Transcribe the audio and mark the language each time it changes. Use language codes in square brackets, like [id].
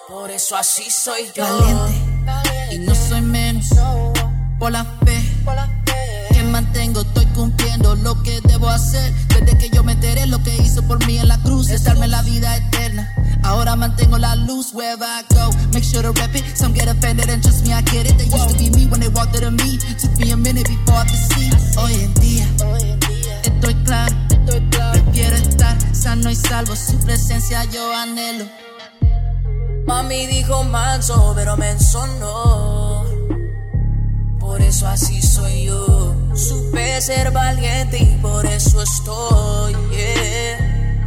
[es] Por eso así soy yo. Valiente, y no soy menos. Por la fe que mantengo, estoy cumpliendo lo que debo hacer. Desde que yo me enteré lo que hizo por mí en la cruz, es darme la vida eterna. Ahora mantengo la luz, [en] wherever I go. Make sure to rep it, some get offended and trust me, I get it. They used to be me when they walked out of me. Took me a minute before I could see. [es] Hoy en día estoy claro. Quiero estar sano y salvo, su presencia yo anhelo. Mami dijo manso, pero me ensonó. Por eso así soy yo. Supe ser valiente y por eso estoy, yeah.